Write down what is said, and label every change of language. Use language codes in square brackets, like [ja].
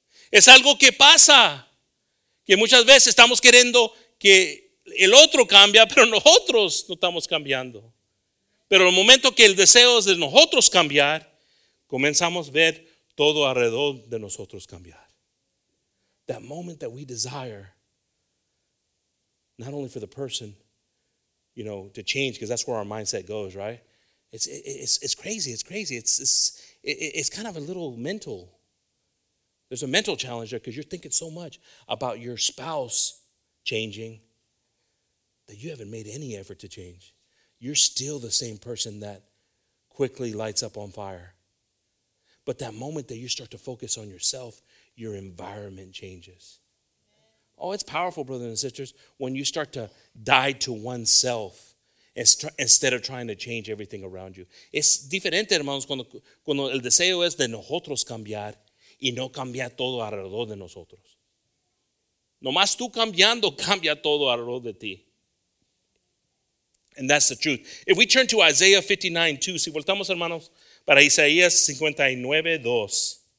[es] Es algo que pasa. Que muchas veces estamos queriendo que el otro cambie, pero nosotros no estamos cambiando. Pero el momento que el deseo es de nosotros cambiar, comenzamos a ver todo alrededor de nosotros cambiar. [en] That moment that we desire, not only for the person, you know, to change, because that's where our mindset goes, right? It's crazy. It's kind of a little mental. There's a mental challenge there because you're thinking so much about your spouse changing that you haven't made any effort to change. You're still the same person that quickly lights up on fire. But that moment that you start to focus on yourself, your environment changes. Oh, it's powerful, brothers and sisters, when you start to die to oneself instead of trying to change everything around you. [es] Es diferente, hermanos, cuando el deseo es de nosotros cambiar y no cambiar todo alrededor de nosotros. Nomás tú cambiando cambia todo alrededor de ti. [en] And that's the truth. If we turn to Isaiah 59:2, [es] si voltamos, hermanos, para Isaías 59:2.